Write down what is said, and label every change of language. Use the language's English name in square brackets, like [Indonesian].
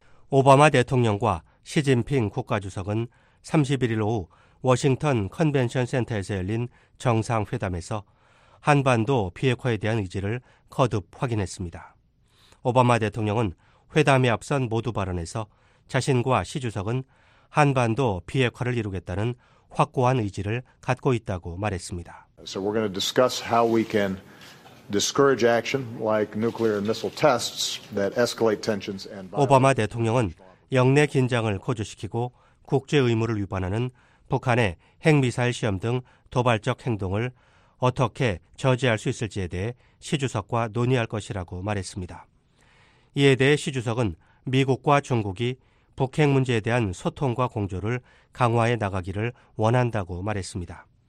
[Korean] 오바마 대통령과 시진핑 국가주석은 31일 오후 워싱턴 컨벤션 센터에서 열린 정상회담에서 한반도 비핵화에 대한 의지를 거듭 확인했습니다. 오바마 대통령은 회담에 앞선 모두 발언에서 자신과 시 주석은 한반도 비핵화를 이루겠다는 확고한 의지를 갖고 있다고 말했습니다. [English] So we're going to discuss how we can discourage action like nuclear and missile tests that escalate tensions and. [Korean] 오바마 대통령은 영내 긴장을 고조시키고 국제 의무를 위반하는 북한의 핵미사일 시험 등 도발적 행동을 어떻게 저지할 수 있을지에 대해 시 주석과 논의할 것이라고 말했습니다. 이에 대해 시 주석은 미국과 중국이 북핵 문제에 대한 소통과 공조를 강화해 나가기를 원한다고 말했습니다.